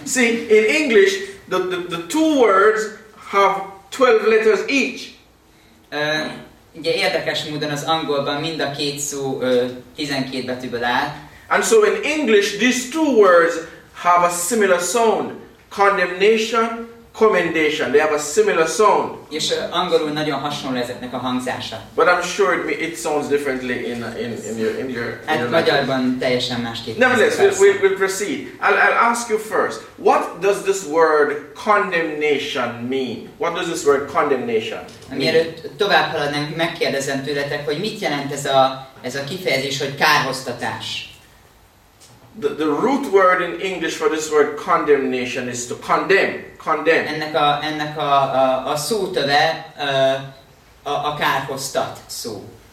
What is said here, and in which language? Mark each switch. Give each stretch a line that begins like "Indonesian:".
English: See, in English the two words have 12 letters each.
Hungarian: Ugye érdekes módon az angolban mind a két szó 12 betűből áll.
English: And so in English these two words have a similar sound. Condemnation, commendation. They have a similar sound.
Hungarian: És angolul nagyon hasonló ezeknek a hangzása.
English: But I'm sure it sounds differently in your
Hungarian: hát
English: your
Hungarian: magyarban teljesen másképp.
English: Nevertheless, we'll proceed. I'll ask you first. What does this word condemnation mean? What does this word condemnation mean?
Hungarian: Mielőtt tovább haladnánk, megkérdezem tőletek, hogy mit jelent ez a kifejezés, hogy kárhoztatás?
English: The root word in English for this word condemnation is to condemn. Condemn.
Hungarian: Ennek a szótöve a kárhoztat szó.